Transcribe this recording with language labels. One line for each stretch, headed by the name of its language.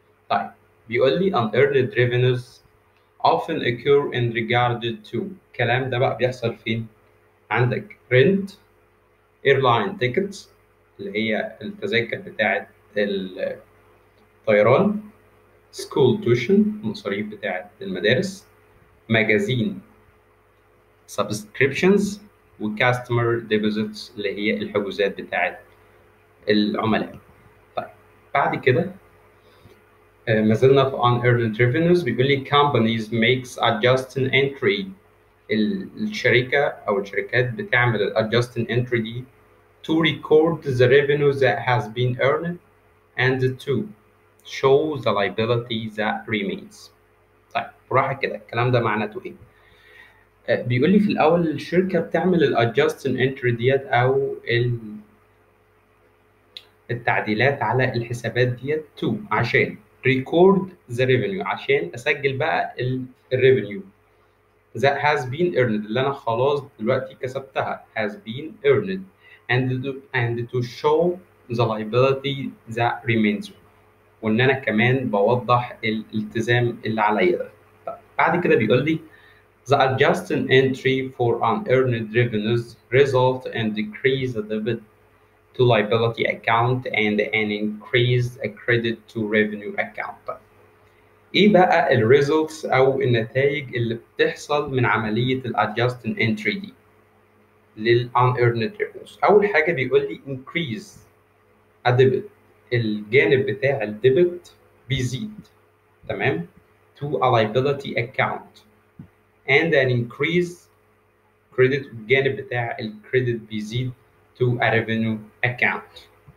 Arabic: طيب بيقول لي
English: unearned revenues often occur in regard to,
Arabic: الكلام ده بقى بيحصل فين؟ عندك رنت، ايرلاين تيكتس اللي هي التذاكر بتاعت الطيران، school tuition المصاريف بتاعت المدارس، magazine subscriptions، و customer deposits اللي هي الحجوزات بتاعت العملاء. طيب بعد كده ما زلنا في
English: unearned revenues، بيقول لي companies makes adjusting entry،
Arabic: الشركة أو الشركات بتعمل
English: adjusting entry دي to record the revenue that has been earned and to show the liability that remains.
Arabic: طيب براحة كده، الكلام ده معناته ايه؟ بيقول لي في الاول الشركة بتعمل الادجاستن انتري ديت او التعديلات على الحسابات ديت to عشان
English: record the revenue،
Arabic: عشان اسجل بقى الريفنيو that
English: has been earned اللي انا خلاص دلوقتي كسبتها has been earned and to show the liability that remains،
Arabic: وان انا كمان بوضح الالتزام اللي عليا ده.
English: بعد كده بيقول لي the adjusting entry for unearned revenues result in decrease the debit to liability account and an increase a credit to revenue account.
Arabic: ايه بقى الريزلتس او النتائج اللي بتحصل من عمليه الادجاستنج انتري دي لل unearned revenues؟ أول حاجة بيقول لي increase a debit، الجانب بتاع الديبت بيزيد تمام
English: to a liability account and an increase credit،
Arabic: الجانب بتاع الكريدت بيزيد
English: to a revenue account.